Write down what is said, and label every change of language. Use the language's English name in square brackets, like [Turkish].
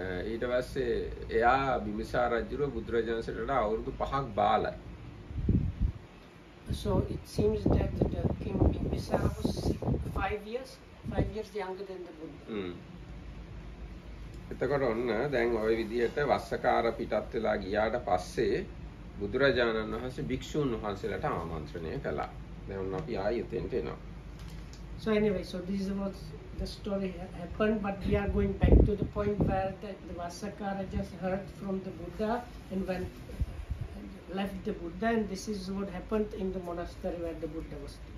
[Sinhala] ඊට පස්සේ එයා බිම්බිසාර රජුව බුදුරජාණන්සේට වඩා අවුරුදු 5ක් බාලයි. [English] So it seems that the king Bimbisara was 5 years younger than the Buddha. [Sinhala] එතකොට ඔන්න දැන් ওই විදිහට වස්සකාර පිටත් වෙලා ගියාට පස්සේ බුදුරජාණන් වහන්සේ භික්ෂුන් වහන්සේලාට ආමන්ත්‍රණය කළා. දැන් ඔන්න අපි ආයෙ එතෙන්ට එනවා. [English] So anyway, so this is about the story happened, but we are going back to the point where the Vasakara just heard from the Buddha and went and left the Buddha, and this is what happened in the monastery where the Buddha was.